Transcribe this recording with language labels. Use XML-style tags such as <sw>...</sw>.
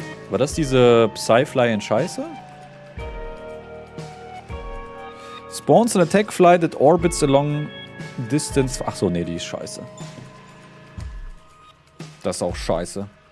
<de>War das diese Psyfly in Scheiße?</de> <en>Spawns an attack fly that orbits along distance.</en> <de>Ach so, nee, die ist scheiße. Das ist auch scheiße.</de>